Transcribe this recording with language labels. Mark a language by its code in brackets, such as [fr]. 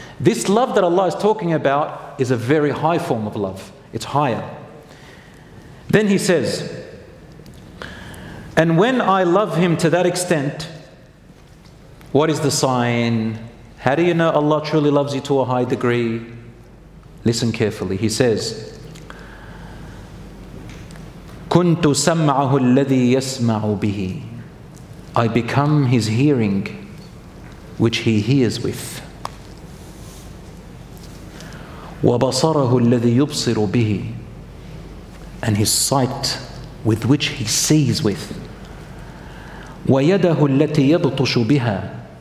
[en] This love that Allah is talking about is a very high form of love. It's higher. Then he says, and when I love him to that extent, what is the sign? How do you know Allah truly loves you to a high degree? Listen carefully. He says, [ar] كُنْتُ سَمْعَهُ الَّذِي يَسْمَعُ بِهِ. [en] I become his hearing, which he hears with. [ar] وَبَصَرَهُ الَّذِي يُبْصِرُ بِهِ. [en] And his sight with which he sees with. [ar] وَيَدَهُ الَّتِي يَبْطُشُ بِهَا.